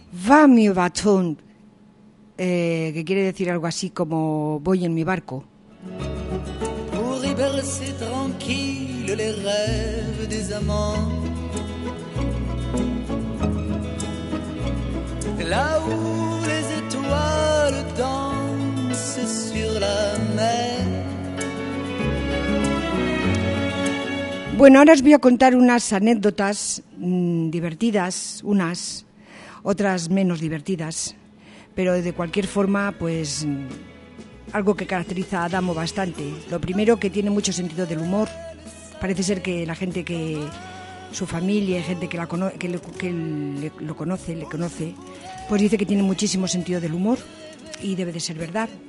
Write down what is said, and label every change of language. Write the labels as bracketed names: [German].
[Spanish] Va mi batón, que quiere decir algo así como voy en mi barco. [French] Pour y bercer tranquille les rêves des amants. Là où les étoiles dansent sur la mer. [Spanish] Bueno, ahora os voy a contar unas anécdotas divertidas, unas, otras menos divertidas, pero de cualquier forma, pues algo que caracteriza a Adamo bastante. Lo primero, que tiene mucho sentido del humor. Parece ser que la gente, que su familia, gente que, la cono, que le conoce, pues dice que tiene muchísimo sentido del humor y debe de ser verdad.